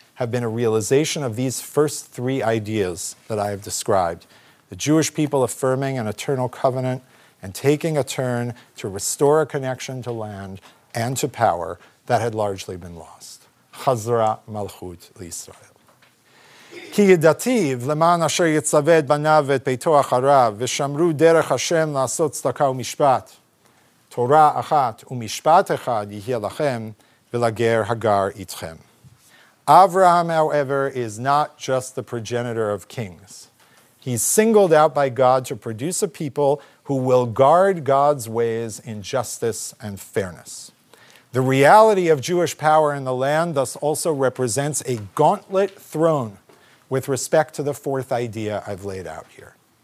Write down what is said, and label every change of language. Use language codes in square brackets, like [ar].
[en] have been a realization of these first three ideas that I have described. The Jewish people affirming an eternal covenant and taking a turn to restore a connection to land and to power that had largely been lost. [he] Chazra Malchut l'Israel. כי ידעתיו למען אשר יצווה את בניו ואת ביתו אחריו, ושמרו דרך השם לעשות צדקה ומשפט. תורה אחת ומשפט אחד יהיה לכם, ולגר הגר איתכם. [en] Abraham, however, is not just the progenitor of kings. He's singled out by God to produce a people who will guard God's ways in justice and fairness. The reality of Jewish power in the land thus also represents a gauntlet throne with respect to the fourth idea I've laid out here.